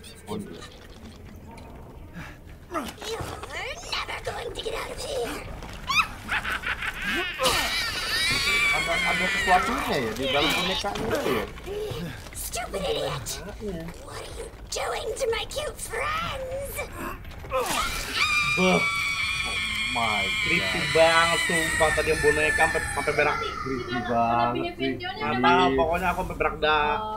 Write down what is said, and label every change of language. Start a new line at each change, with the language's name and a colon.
Indonesian: On. Ada sesuatunya ya di dalam boneka itu ya.
English: Stupid idiot! What are you doing to my cute friends? Oh my god.
Indonesian: Creepy banget sumpah tadi yang boneka sampai berak. Creepy banget. Mana pokoknya aku sampai berak dah.